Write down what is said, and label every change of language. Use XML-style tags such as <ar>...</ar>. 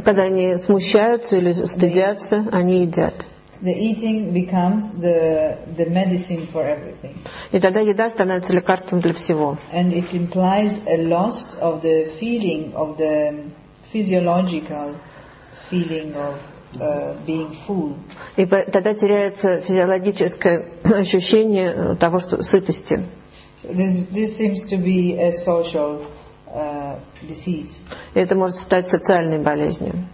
<ru>Когда они смущаются или стыдятся, они едят.</ru> <en>The eating becomes the medicine for everything.</en> <ru>И тогда еда становится лекарством для всего.</ru> <en>And it implies a loss of the feeling of the physiological feeling of being full.</en> <ru>И тогда теряется физиологическое ощущение того, что сытости.</ru> <en>This seems to be a social disease.</en> <ru>И это может стать социальной болезнью.</ru>